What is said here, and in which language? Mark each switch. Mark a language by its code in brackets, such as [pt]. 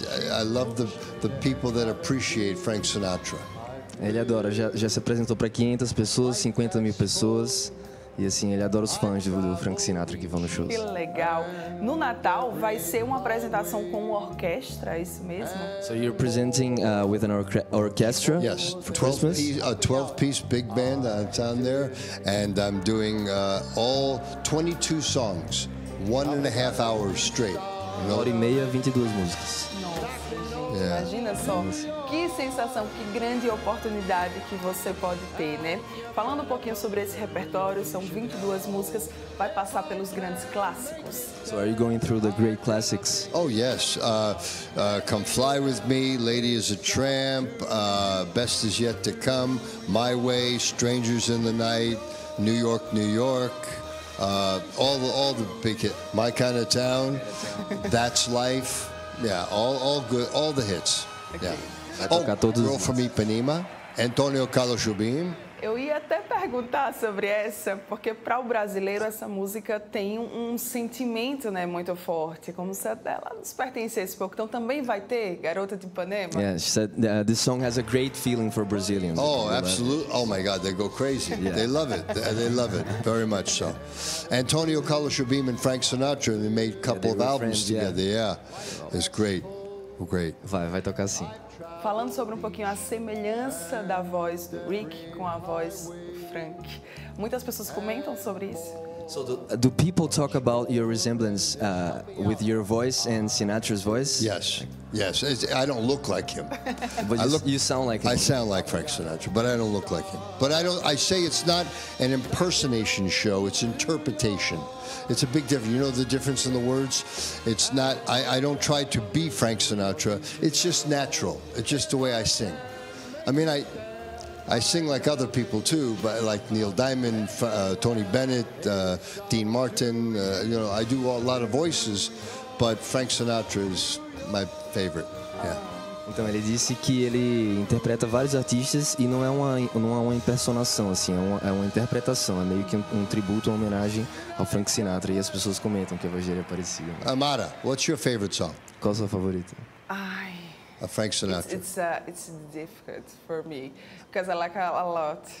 [en] I love the people that appreciate Frank Sinatra. [pt] Ele adora. Já se apresentou para 500 pessoas, 50 mil pessoas. E assim, ele adora os fãs do Frank Sinatra que vão nos shows. Que legal. No Natal vai ser uma apresentação com orquestra, é isso mesmo? [en] So you're presenting with an orchestra? Yes, for Christmas? A 12-piece big band down there. And I'm doing all 22 songs. 1.5 hours straight. [pt] Uma hora e meia, 22 músicas. Nossa, gente, imagina só. Que sensação, que grande oportunidade que você pode ter, né? Falando um pouquinho sobre esse repertório, são 22 músicas, vai passar pelos grandes clássicos. [en] So are you going through the great classics? Oh, yes. Come Fly With Me, Lady Is a Tramp, Best Is Yet To Come, My Way, Strangers in the Night, New York, New York. All the big hits, My Kind of Town, That's Life, yeah, all good, all the hits, okay. Yeah. Oh, Girl from Ipanema, Antonio Carlos Jobim. [pt] Eu ia até perguntar sobre essa, porque para o brasileiro essa música tem um sentimento, né, muito forte, como se ela nos pertencesse pouco. Então também vai ter Garota de Ipanema? [en] Yeah, she said this song has a great feeling for Brazilians. Oh, absolutely. Oh, my God, they go crazy. Yeah. They love it. They love it, very much so. Antonio Carlos Jobim and Frank Sinatra, they made a couple of albums together. Yeah. Yeah, it's great. Great. [pt] Vai tocar sim. Falando sobre um pouquinho a semelhança da voz do Rick com a voz do Frank, muitas pessoas comentam sobre isso. [en] So do people talk about your resemblance with your voice and Sinatra's voice? Yes, yes. I don't look like him. But you sound like him. I sound like Frank Sinatra, but I don't look like him. But I say it's not an impersonation show, it's interpretation. It's a big difference. You know the difference in the words? It's not, I don't try to be Frank Sinatra. It's just natural. It's just the way I sing. I mean, I sing like other people too, but like Neil Diamond, Tony Bennett, Dean Martin. You know, I do a lot of voices, but Frank Sinatra is my favorite. Yeah. [pt] Então ele disse que ele interpreta vários artistas e não é uma impersonação, assim, é uma interpretação, é meio que um tributo, uma homenagem ao Frank Sinatra, e as pessoas comentam que a voz dele é parecida. [en] Amara, what's your favorite song? [pt] Qual sua favorita? Ai. A Frank Sinatra. [en] It's difficult for me because I like her a lot.